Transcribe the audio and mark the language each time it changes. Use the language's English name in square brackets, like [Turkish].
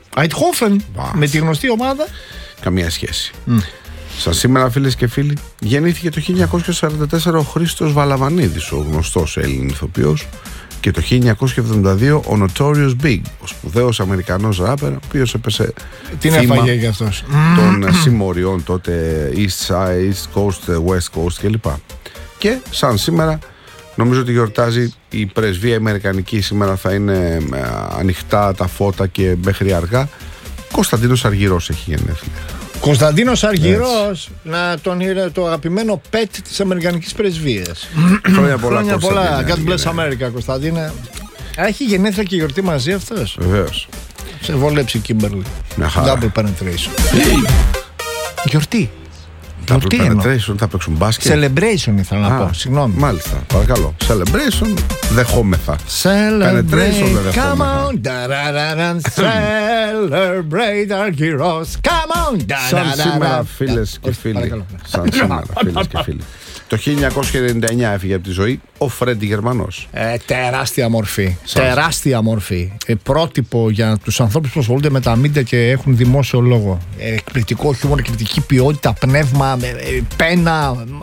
[Greek] Αϊτχόφεν, με τη γνωστή ομάδα. Καμία σχέση. Σαν σήμερα, φίλες και φίλοι, γεννήθηκε το 1944 ο Χρήστος Βαλαβανίδης, ο γνωστός Έλληνης ηθοποιός, και το 1972 ο Notorious Big, ο σπουδαίος Αμερικανός ράπερ, ο οποίος έπεσε θύμα των συμμοριών τότε East Side, East Coast, West Coast κλπ. Και σαν σήμερα, νομίζω ότι γιορτάζει η πρεσβεία Αμερικανική, σήμερα θα είναι ανοιχτά τα φώτα και μέχρι αργά, Κωνσταντίνος Αργυρός έχει γενέθλια. Κωνσταντίνος Αργυρός, να τον είναι το αγαπημένο pet της Αμερικανικής πρεσβείας. Χρόνια πολλά, χρόνια πολλά. [English] God bless America, Κωνσταντίνε. [Greek] Έχει γενέθλια και γιορτή μαζί αυτός. Βεβαίως. Σε βόλεψε η Kimberly. Μια χαρά. [English] Double penetration. Γιορτή. Double penetration, [Greek] θα παίξουν μπάσκετ. Celebration ήθελα να πω, συγγνώμη. Μάλιστα, παρακαλώ. Celebration, δεχόμεθα. [English] Celebration, come on, da-da-da-dan. Celebrate our heroes, come on, da-da-da-dan. [Greek] Σαν σήμερα, φίλες και φίλοι. Σαν σήμερα, φίλες και φίλοι. Το 1999 έφυγε από τη ζωή ο Φρέντι Γερμανός. Τεράστια μορφή. Τεράστια μορφή. Πρότυπο για τους ανθρώπους που ασχολούνται με τα μίντια και έχουν δημόσιο λόγο. Εκπληκτικό χιούμορ, εκπληκτική ποιότητα, πνεύμα, πένα.